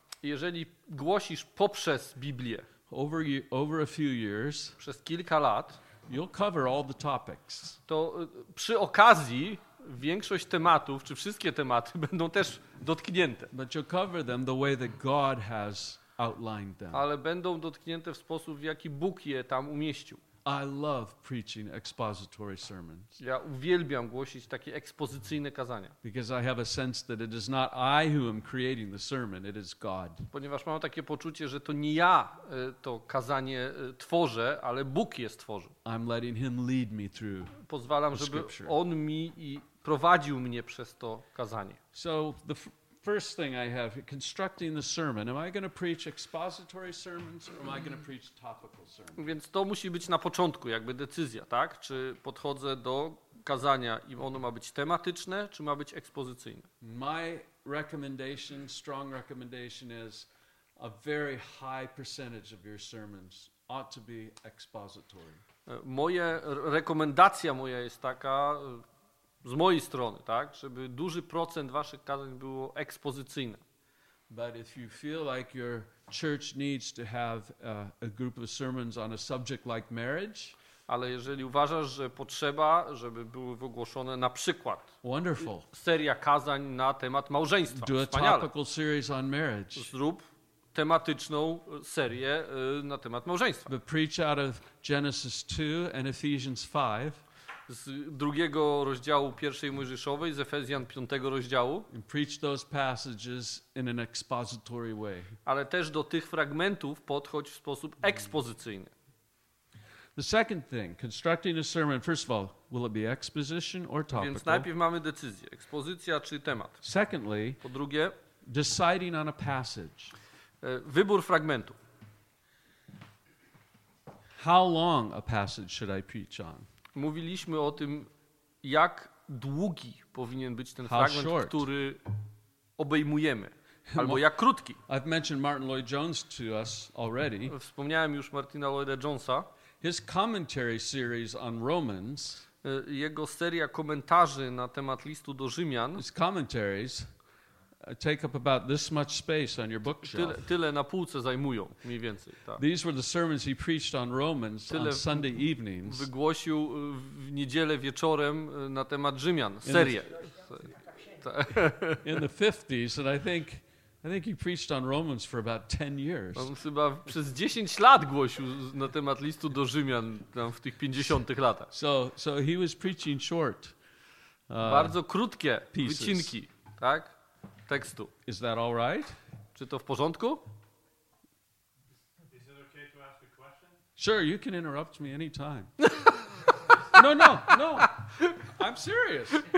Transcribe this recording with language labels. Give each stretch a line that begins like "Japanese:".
Polish: jeżeli głosisz poprzez Biblię,
English: over a few years,
Polish: przez kilka lat,
English: you'll cover all the topics.
Polish: To przy okazji większość tematów, czy wszystkie tematy będą też dotknięte.
English: But you'll cover them the way that God has outlined them.
Polish: Ale będą dotknięte w sposób, w jaki Bóg je tam umieścił.
English: I love preaching expository sermons.
Polish: Ja uwielbiam głosić takie ekspozycyjne kazania.
English: Because I have a sense that it is not I who am creating the sermon, it is God.
Polish: Ponieważ mam takie poczucie, że to nie ja to kazanie tworzę, ale Bóg je stworzył.
English: I'm letting him lead me through.
Polish: Pozwalam, żeby on mi i prowadził mnie przez to kazanie.
English: So the first thing I have constructing the sermon. Am I going to preach expository sermons or am I going to preach topical sermons?
Polish: Więc to musi być na początku jakby decyzja, tak? Czy podchodzę do kazania i ono ma być tematyczne, czy ma być ekspozycyjne?
English: My recommendation, strong recommendation is a very high percentage of your sermons ought to be expository.
Polish: Moje rekomendacja moja jest taka z mojej strony, tak, żeby duży procent waszych kazań było ekspozycyjne.
English: But if you feel like your church needs to have a group of sermons on a subject like marriage,
Polish: ale jeżeli uważasz, że potrzeba, żeby były wygłoszone na przykład
English: wonderful
Polish: seria kazań na temat małżeństwa,
English: do
Polish: wspaniale
English: a topical series on marriage.
Polish: Zrób tematyczną serię na temat małżeństwa.
English: But preach out of Genesis 2 and Ephesians 5.
Polish: Z drugiego rozdziału pierwszej Mojżeszowej, z Efezjan 5 rozdziału.
English: And preach those passages in an expository way.
Polish: Ale też do tych fragmentów podchodź w sposób ekspozycyjny.
English: The second thing, constructing a sermon, first of all, will it be exposition or topical?
Polish: Więc najpierw mamy decyzję, ekspozycja czy temat.
English: Secondly,
Polish: po drugie,
English: deciding on a passage.
Polish: Wybór fragmentu.
English: How long a passage should I preach on?
Polish: Mówiliśmy o tym, jak długi powinien być ten fragment, który obejmujemy, albo jak krótki.
English: I've mentioned Martin Lloyd-Jones to us already.
Polish: Wspomniałem już Martina Lloyda-Jonesa.
English: His commentary series on Romans,
Polish: jego seria komentarzy na temat listu do Rzymian,
English: his commentaries take up about this much space on your bookshelf.
Polish: Tyle na półce zajmują, mniej więcej. Tak.
English: These were the sermons he preached on Romans
Polish: tyle
English: on Sunday evenings.
Polish: Wygłosił w niedzielę wieczorem na temat Rzymian, serię.
English: In the 50s, and I think he preached on Romans for about 10 years.
Polish: On chyba przez 10 lat głosił na temat listu do Rzymian tam w tych 50-tych latach.
English: So he was preaching short.
Polish: Bardzo krótkie
English: pieces.
Polish: Wycinki, tak? Tekstu.
English: Is that all right?
Polish: Czy to w porządku?
English: Is it okay to ask a question? Sure, you can interrupt me anytime. No. I'm serious.